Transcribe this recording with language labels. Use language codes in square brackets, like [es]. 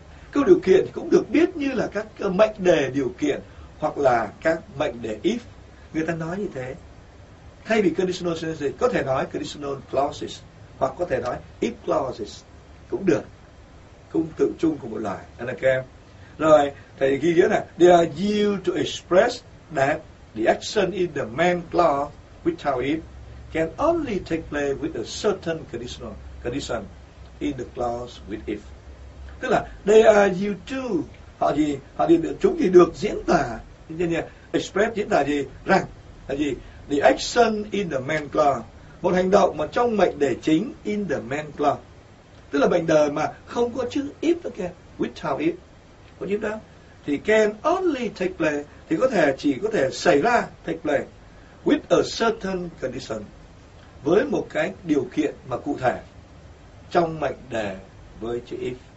[vi] Câu điều kiện cũng được biết như là các mệnh đề điều kiện hoặc là các mệnh đề if. Người ta nói như thế. Thay vì conditional sentences có thể nói conditional clauses hoặc có thể nói if clauses cũng được. Cũng tự chung của một loại. Anh em okay. Rồi thầy ghi nhớ này. [en] They are used to express that the action in the main clause without it can only take place with a certain condition in the clause with if. [vi] Tức là [en] they are used to, [vi] họ gì, họ gì, chúng thì được diễn tả, express diễn tả gì, rằng là gì, [en] the action in the main clause, [vi] một hành động mà trong mệnh đề chính, [en] in the main clause, [vi] tức là mệnh đề mà không có chữ if đó kìa, [en] without it, [vi] có chữ đó, thì [en] can only take place, [vi] thì có thể chỉ có thể xảy ra, [en] take place, with a certain condition, [vi] với một cái điều kiện mà cụ thể, trong mệnh đề với chữ if.